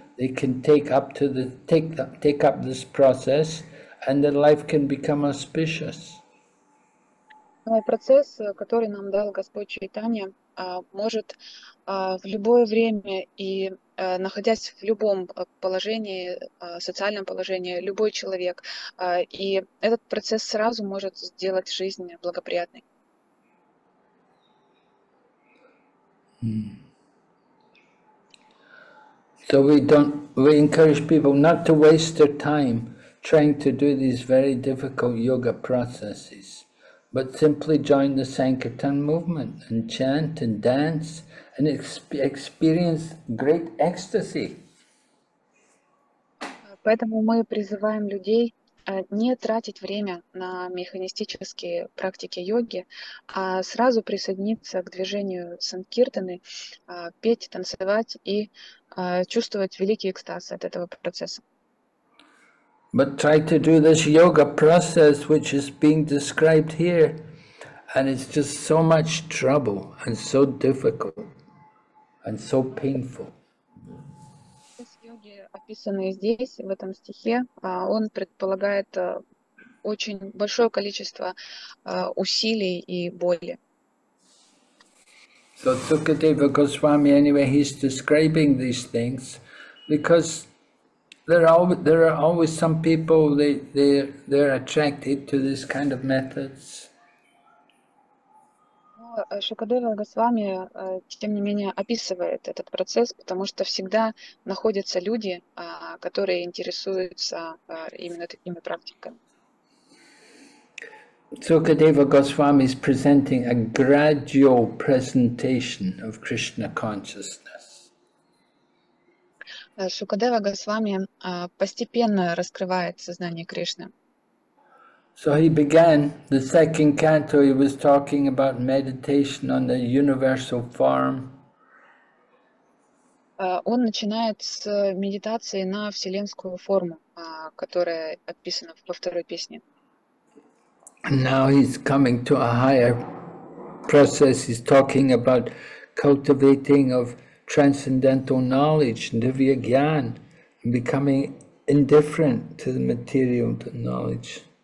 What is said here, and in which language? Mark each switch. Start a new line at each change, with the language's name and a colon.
English: They can take up this process and their life can become auspicious.
Russian: Процесс, который нам дал Господь Чайтанья, может в любое время и находясь в любом положении, социальном положении, любой человек, и этот процесс сразу может сделать жизнь благоприятной.
English: So we encourage people not to waste their time trying to do these very difficult yoga processes, but simply join the Sankirtan movement and chant and dance and experience great ecstasy.
Russian: Поэтому мы призываем людей не тратить время на механистические практики йоги, а сразу присоединиться к движению Санкиртаны, петь, танцевать и чувствовать великий экстаз от этого процесса.
English: But try to do this yoga process which is being described here, and it's just so much trouble and so difficult and so painful. This
Russian: йоги, описанный здесь, в этом стихе, он предполагает очень большое количество усилий и боли.
English: So Sukadeva Goswami, anyway, he's describing these things because There are always some people they're attracted to this kind of methods.
Russian: Шукадева Госвами, тем не менее, описывает этот процесс, потому что всегда находятся люди, которые интересуются именно такими практиками.
English: Sukadeva Goswami is presenting a gradual presentation of Krishna consciousness.
Russian: Шукадева Госвами постепенно раскрывает сознание Кришны.
English: So he began the second canto, he was talking about meditation on the universal form.
Russian: Он начинает с медитации на вселенскую форму, которая описана во второй песне.
English: And now he's coming to a higher process, he's talking about cultivating of transcendental knowledge, divya gyan, and becoming indifferent to the material knowledge.